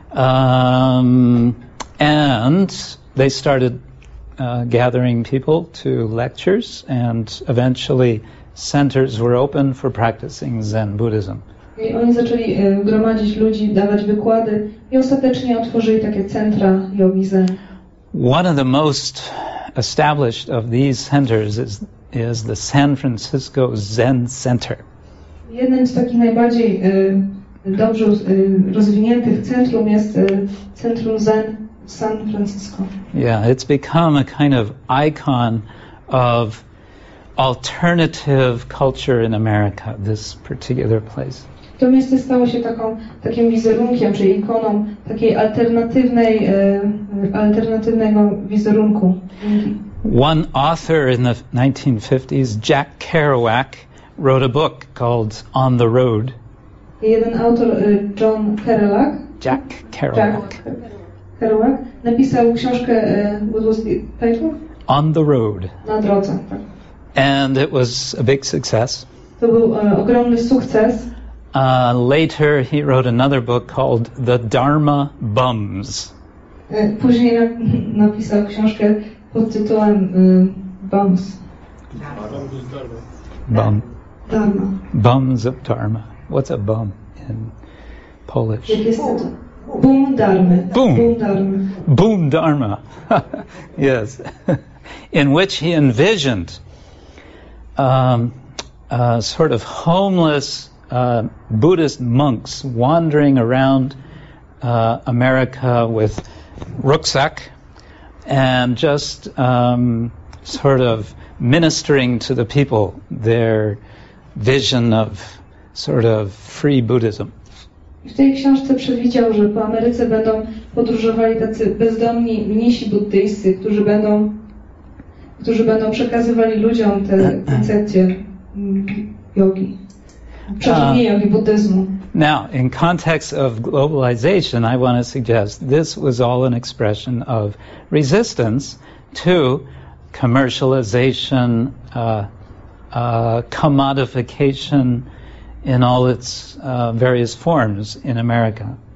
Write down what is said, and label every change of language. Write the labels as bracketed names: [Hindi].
[English] And they started gathering people to lectures, and eventually centers were open for practicing Zen Buddhism. [Polish] I oni zaczęli gromadzić ludzi, dawać wykłady i ostatecznie otworzyli takie centra jogi Zen. [English] One of the most established of these centers is the San Francisco Zen Center. [Polish] Jednym z takich najbardziej dobrze rozwiniętych centrum jest Centrum Zen San Francisco. [English] Yeah, it's become a kind of icon of alternative culture in America, this particular place. [Polish] To miejsce stało się takim wizerunkiem, czy ikoną takiej alternatywnego wizerunku. [English] One author in the 1950s, Jack Kerouac, wrote a book called On the Road. [Polish] Jeden autor, John Kerouac. [English] Jack Kerouac. [Polish] Kerouac napisał książkę, [English] what was the title? On the Road. [Polish] Na drodze. [English] And it was a big success. [Polish] To był ogromny sukces. [English] Later he wrote another book called The Dharma Bums. [Polish] Później napisał książkę pod tytułem Bums. [English] Bum. Dharma. Bums of Dharma. What's a bum in Polish? [Polish] Bum Dharma. [English] Bum. Bum Dharma. Yes. In which he envisioned a sort of homeless Buddhist monks wandering around America with rucksack and just sort of ministering to the people their vision of sort of free Buddhism. [Polish] W tej książce przewidział, że po Ameryce będą podróżowali tacy bezdomni mnisi buddyjscy, którzy będą przekazywali ludziom te koncepcje jogi. [English] Now, in context of globalization, I want to suggest this was all an expression of resistance to commercialization, commodification in all its various forms in America.